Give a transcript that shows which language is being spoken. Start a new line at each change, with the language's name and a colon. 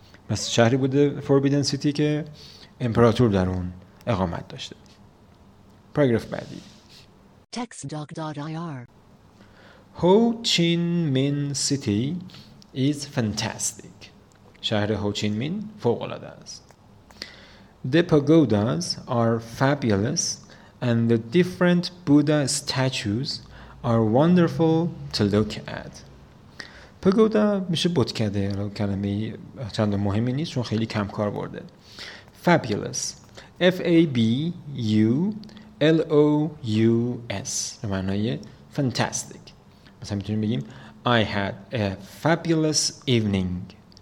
Persian: بس شهری بوده Forbidden City که امپراتور در اون اقامت داشته. پاراگراف بعدی.
English: textdoc.ir Ho Chi Minh City is fantastic.
Persian: شهر Ho Chi Minh فوق العاده است.
English: The pagodas are fabulous and the different Buddha statues are wonderful to look at.
Persian: پگودا میشه بتکده، کلمه چند مهمی نیست چون خیلی کم کار برده.
English: Fabulous F-A-B-U-L-O-U-S
Persian: به معنای
English: fantastic.
Persian: مثلا میتونیم بگیم
English: I had a fabulous evening.